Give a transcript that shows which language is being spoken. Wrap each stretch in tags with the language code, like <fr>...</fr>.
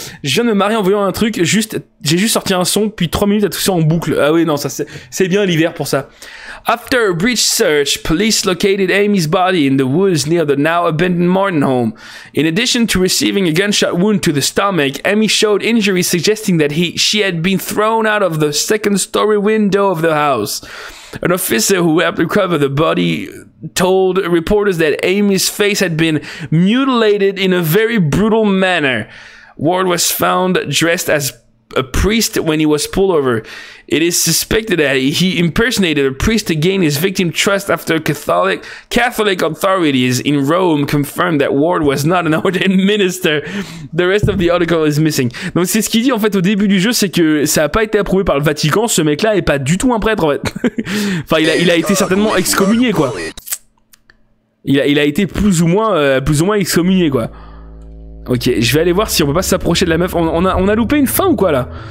<fr>Je viens de me marier en voyant un truc, j'ai juste sorti un son, puis 3 minutes à tousser en boucle. Ah oui, non, ça c'est bien l'hiver pour ça.</fr> <en>After a breach search, police located Amy's body in the woods near the now abandoned Martin home. In addition to receiving a gunshot wound to the stomach, Amy showed injuries suggesting that she had been thrown out of the second-story window of the house. An officer who helped recover the body told reporters that Amy's face had been mutilated in a very brutal manner. Ward was found dressed as a priest when he was pulled over. It is suspected that he impersonated a priest to gain his victim trust after Catholic authorities in Rome confirmed that Ward was not an ordained minister. The rest of the article is missing.</en> <fr>Donc c'est ce qu'il dit en fait au début du jeu, c'est que ça a pas été approuvé par le Vatican, ce mec là est pas du tout un prêtre en fait. Enfin il a été certainement excommunié quoi. Il a été plus ou moins excommunié quoi. Ok, je vais aller voir si on peut pas s'approcher de la meuf. On a loupé une fin ou quoi là?</fr>